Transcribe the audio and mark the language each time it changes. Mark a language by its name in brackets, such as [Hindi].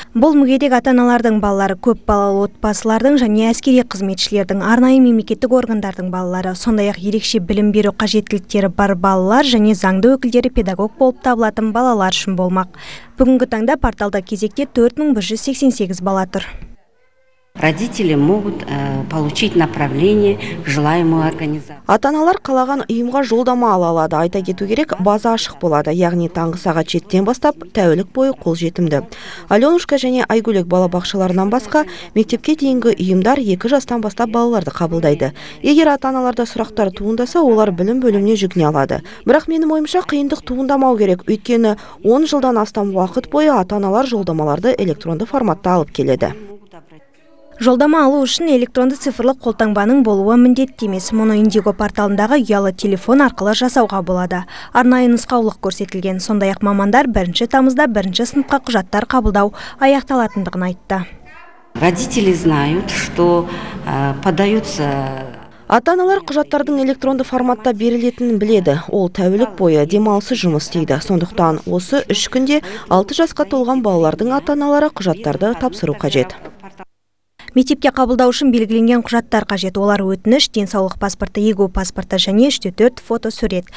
[Kazakh] Бұл мүгедек ата-аналардың балалары, көп балалы отбасылардың және әскери қызметшілердің, арнайы мемлекеттік органдардың балалары, сондай-ақ ерекше білім беру қажеттіліктері бар балалар және заңды өкілдері педагог болып табылатын балалар үшін болмақ. Бүгінгі таңда порталда кезекте 4188 бала тұр. [Russian] Родители могут получить направление желаемую организацию. [Kazakh] Ата-аналар қалаған ұйымға жолдама ала алады. Айта кету керек, база ашық болады. Яғни таңғы сағат 7-ден бастап тәулік бойы қол жетімді. Аленушка және Айгүлек балабақшаларынан басқа мектепке дейінгі ұйымдар 2 жастан бастап балаларды қабылдайды. Егер ата-аналарда сұрақтар туындаса, олар білім бөліміне жүгіне алады. Бірақ менің ойымша қиындық туындамау керек. Өйткені 10 жылдан астам уақыт бойы ата-аналар жолдамаларды электронды форматта алып келеді. Жолдама алу үшін электронды цифрлық қолтаңбаның болуы міндетті емес. Мұны Индиго порталындағы ұялы телефон арқылы жасауға болады. Арнайы нұсқаулық көрсетілген. Сондай-ақ мамандар 1-ші тамызда 1-ші сыныпқа құжаттар қабылдау аяқталатындығын айтты. [Russian] Родители знают, что подаются. [Kazakh] Ата-аналар құжаттардың электронды форматта берілетінін біледі. Ол тәулік бойы демалысы жұмыс істейді. Сондықтан осы 3 күнде 6 жасқа толған балалардың ата-аналары құжаттарды тапсыру қажет. Мектепке қабылдау үшін белгіленген құжаттар қажет. Олар өтініш, денсаулық паспорты, ЕГО паспорты және 3-4 фото сурет.